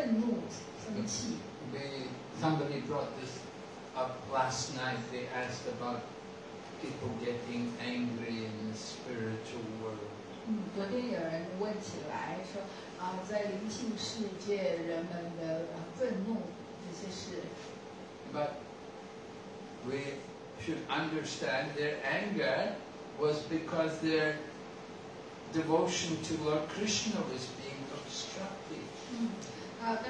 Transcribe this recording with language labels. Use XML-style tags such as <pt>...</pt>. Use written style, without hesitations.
<zh>嗯，在这里很有趣，很有意思的去知道，甚至在灵世世界都会有愤怒、生气。</zh> <en>We somebody brought this up last night. They asked about people getting angry in the spiritual world.</en> <zh>嗯，昨天有人问起来说，啊，在灵性世界人们的愤怒这些事。</zh> <en>But we should understand their anger was because their devotion to Lord Krishna was being obstructed.</en>